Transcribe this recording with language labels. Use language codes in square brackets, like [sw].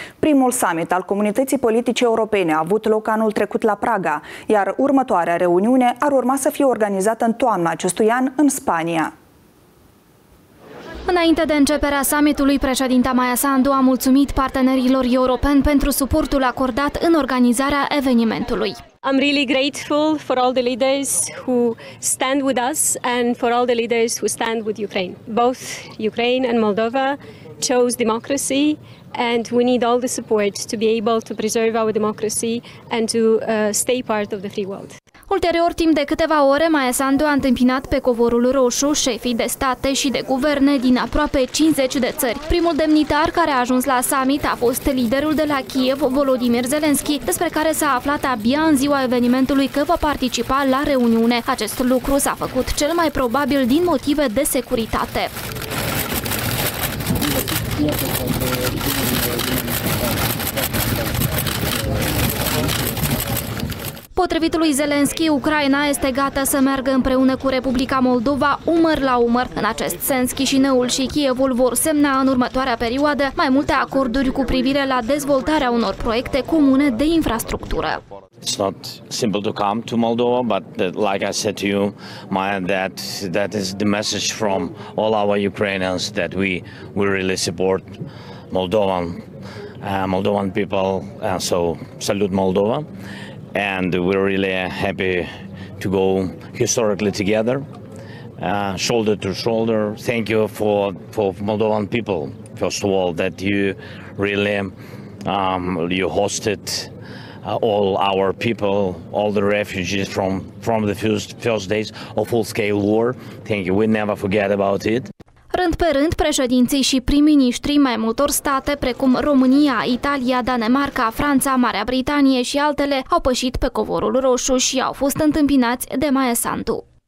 [ro] Primul summit al comunității politice europene a avut loc anul trecut la Praga, iar următoarea reuniune ar urma să fie organizată în toamna acestui an în Spania. Înainte de începerea summitului, președinta Maia Sandu a mulțumit partenerilor europeni pentru suportul acordat în organizarea evenimentului. [en] I'm really grateful for all the leaders who stand with us and for all the leaders who stand with Ukraine. Both Ukraine and Moldova chose democracy and we need all the support to be able to preserve our democracy and to stay part of the free world. [ro] Ulterior, timp de câteva ore, Maia Sandu a întâmpinat pe covorul roșu șefii de state și de guverne din aproape 50 de țări. Primul demnitar care a ajuns la summit a fost liderul de la Kiev, Volodymyr Zelensky, despre care s-a aflat abia în ziua evenimentului că va participa la reuniune. Acest lucru s-a făcut cel mai probabil din motive de securitate. Potrivit lui Zelensky, Ucraina este gata să meargă împreună cu Republica Moldova umăr la umăr. În acest sens, Chișinăul și Kievul vor semna în următoarea perioadă mai multe acorduri cu privire la dezvoltarea unor proiecte comune de infrastructură. [en] It's not simple to come to Moldova, but like I said to you, Maya, that is the message from all our Ukrainians that we really support Moldovan people, and so salut Moldova. And we're really happy to go historically together, shoulder to shoulder. Thank you for Moldovan people, first of all, that you really you hosted all our people, all the refugees from the first days of full-scale war. Thank you. We never forget about it. [ro] Rând pe rând, președinții și prim-ministrii mai multor state, precum România, Italia, Danemarca, Franța, Marea Britanie și altele, au pășit pe covorul roșu și au fost întâmpinați de Maia Sandu.